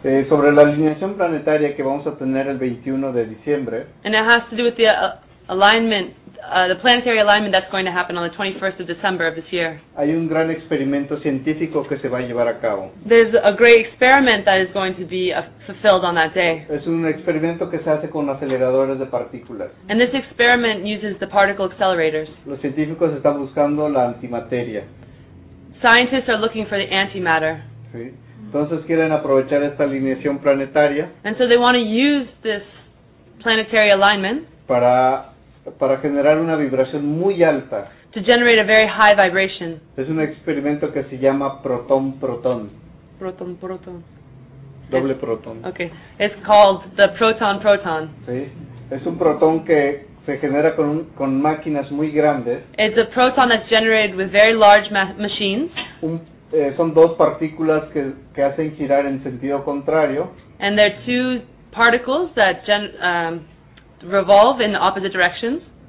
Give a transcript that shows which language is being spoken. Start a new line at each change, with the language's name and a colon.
Spanish: Sobre la alineación planetaria que vamos a tener el 21 de diciembre.
English: And it has to do with the alignment, the planetary alignment that's going to happen on the 21st of December of this year.
Spanish: Hay un gran experimento científico que se va a llevar a cabo.
English: There's a great experiment that is going to be fulfilled on that day.
Spanish: Es un experimento que se hace con aceleradores de partículas.
English: And this experiment uses the particle accelerators.
Spanish: Los científicos están buscando la antimateria.
English: Scientists are looking for the antimatter.
Spanish: Sí. Entonces quieren aprovechar esta alineación planetaria.
English: And so they want to use this planetary alignment
Spanish: para generar una vibración muy alta.
English: To generate a very high vibration.
Spanish: Es un experimento que se llama proton-proton.
English: Proton-proton.
Spanish: Doble proton.
English: Okay. It's called the proton-proton.
Spanish: Sí. Es un proton que se genera con máquinas muy grandes.
English: It's a proton that's generated with very large machines.
Spanish: Son dos partículas que hacen girar en sentido contrario.
English: And they're two particles that revolve in the opposite directions.